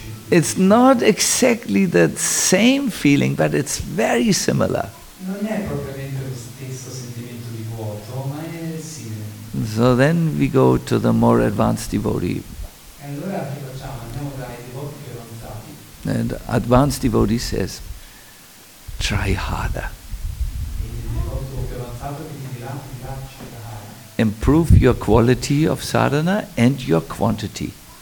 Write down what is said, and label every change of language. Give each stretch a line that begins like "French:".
English: It's not exactly that same feeling, but it's very similar.
Italian: Non è propriamente lo stesso sentimento di vuoto, ma è simile.
English: So then we go to the more advanced devotee.
Italian: E allora che facciamo? Andiamo dai devoti più avanzati.
English: And advanced devotee says, try harder.
Italian: Il devoto più avanzato che ti dirà,
English: try harder. Improve your quality of sadhana and your quantity.